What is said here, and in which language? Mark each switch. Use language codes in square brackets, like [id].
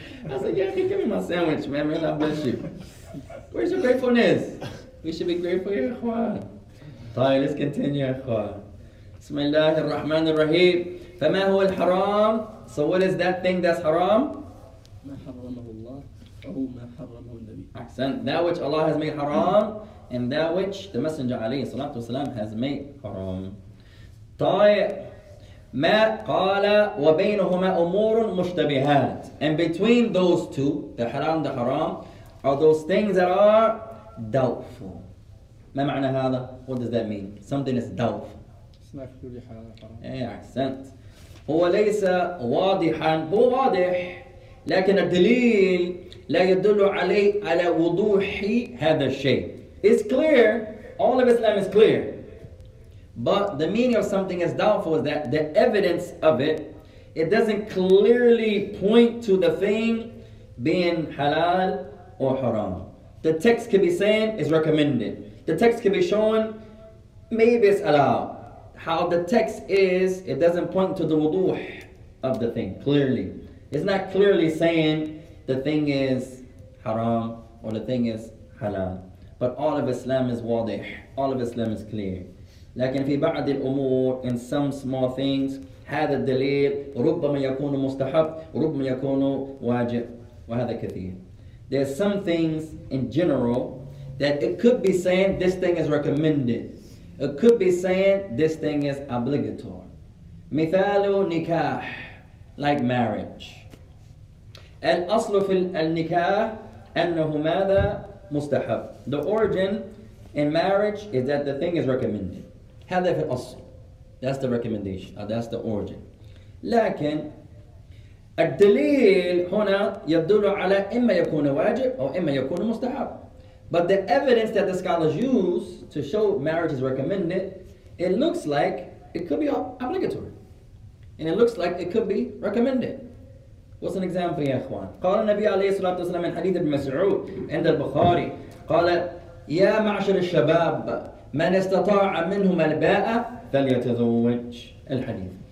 [en] I said, yeah, give me my sandwich, man. May Allah bless you. Where's your gratefulness? We should be grateful, ya akhwan. طيب, let's continue, ya akhwan. [ar] بسم الله الرحمن الرحيم. فما هو الحرام؟ [en] So what is that thing that's haram? [ar] ما حرمه الله أو ما حرمه النبي. Ahsan. [en] That which Allah has made haram and that which the Messenger عليه الصلاة والسلام has made haram. [ar] طيب ما قال وبينهما أمور مشتبهات. [en] And between those two, the haram, the haram, are those things that are doubtful. [ar] ما معنى هذا? [en] What does that mean? Something is doubtful. Ahsant. [ar] هو ليس واضحا هو واضح لكن الدليل لا يدل عليه على وضوح هذا الشيء. [en] It's clear, all of Islam is clear, but the meaning of something is doubtful is that the evidence of it doesn't clearly point to the thing being halal or haram. The text could be saying it's recommended, the text could be showing maybe it's allowed. How the text is, it doesn't point to the wuduh of the thing, clearly. It's not clearly saying the thing is haram or the thing is halal. But all of Islam is wadih, all of Islam is clear. [ar] لكن في بعض الأمور, [en] in some small things, [ar] هذا الدليل ربما يكون مستحب ربما يكون واجب وهذا كثير. [en] There's some things in general that it could be saying this thing is recommended. It could be saying this thing is obligatory. [ar] مثال نكاح, [en] like marriage. [ar] الأصل في النكاح أنه ماذا مستحب. [en] The origin in marriage is that the thing is recommended. [ar] هذا في الأصل. [en] That's the recommendation. That's the origin. لكن الدليل هنا يدل على إما يكون واجب أو إما يكون مستحب. But the evidence that the scholars use to show marriage is recommended, it looks like it could be obligatory. And it looks like it could be recommended. What's an example, ya ikhwan? [ar] قال النبي عليه الصلاة والسلام من حديث ابن مسعود عند البخاري قال يا معشر الشباب من استطاع منهم الباءة فليتزوج الحديث.